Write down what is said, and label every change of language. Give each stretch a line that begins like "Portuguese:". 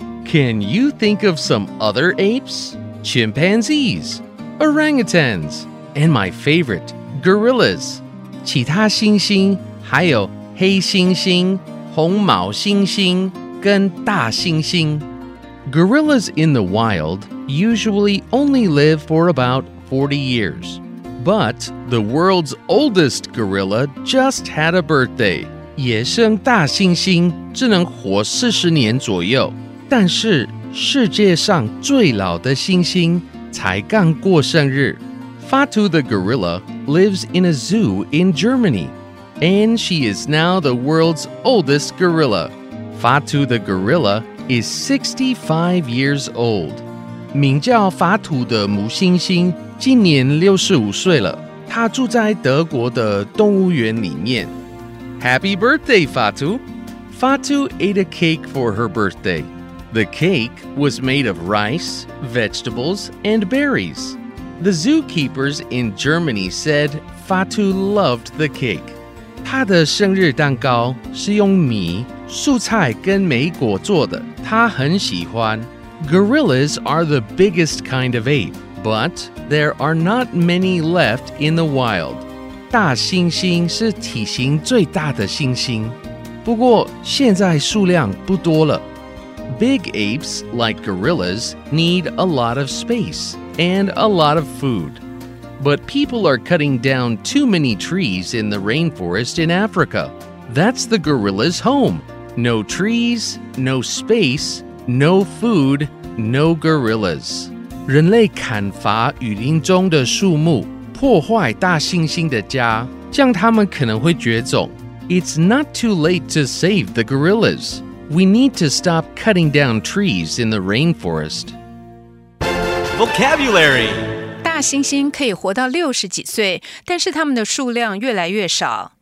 English: Can you think of some other apes? Chimpanzees, orangutans, and my favorite, gorillas.
Chinese: 其他猩猩还有黑猩猩、红毛猩猩跟大猩猩。
English: Gorillas in the wild usually only live for about 40 years. But the world's oldest gorilla just had a birthday.
Chinese: 野生大猩猩只能活40年左右。但是世界上最老的猩猩才刚过生日。
English: Fatu the gorilla lives in a zoo in Germany, and she is now the world's oldest gorilla. Fatu the gorilla is 65 years old.
Chinese: 名叫法图的母猩猩今年65岁了，她住在德国的动物园里面。
English: Happy birthday, Fatu! Fatu ate a cake for her birthday. The cake was made of rice, vegetables, and berries. The zookeepers in Germany said Fatu loved the cake.
Chinese: 她的生日蛋糕是用米、蔬菜跟莓果做的，她很喜欢。
English: Gorillas are the biggest kind of ape, but there are not many left in the wild.
Chinese: 大猩猩是体型最大的猩猩，不过现在数量不多了。
English: Big apes, like gorillas, need a lot of space and a lot of food. But people are cutting down too many trees in the rainforest in Africa. That's the gorilla's home. No trees, no space, no food, no gorillas.
Chinese: 人类砍伐雨林中的树木，破坏大猩猩的家，将他们可能会绝种。
English: It's not too late to save the gorillas. We need to stop cutting down trees in the rainforest. Vocabulary.
Chinese: 大猩猩可以活到六十几岁，但是它们的数量越来越少。